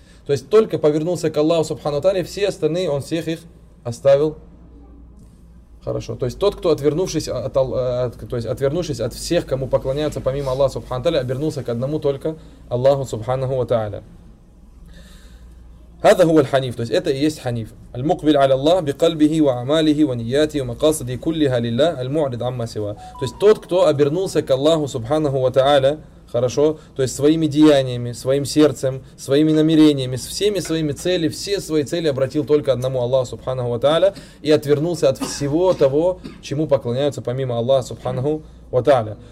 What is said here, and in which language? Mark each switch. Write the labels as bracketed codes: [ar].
[ru] То есть только повернулся к Аллаху Субхану Тааля, все остальные, он всех их оставил. Хорошо. То есть тот, кто отвернувшись от всех, кому поклоняются помимо Аллаха Субхану Тааля, обернулся к одному только Аллаху Субхану Тааля. [ar] هذا هو الحنيف. [ru] То есть это и есть ханиф. [ar] المقبل على الله بقلبه وأعماله ونياته ومقاصده كلها لله المعرض عما سواه. [ru] То есть тот, кто обернулся к Аллаху Субхану Тааля, хорошо, то есть своими деяниями, своим сердцем, своими намерениями, с всеми своими целями, все свои цели обратил только одному Аллаху Субханаху ва Тааля и отвернулся от всего того, чему поклоняются помимо Аллаха Субханаху ва Тааля.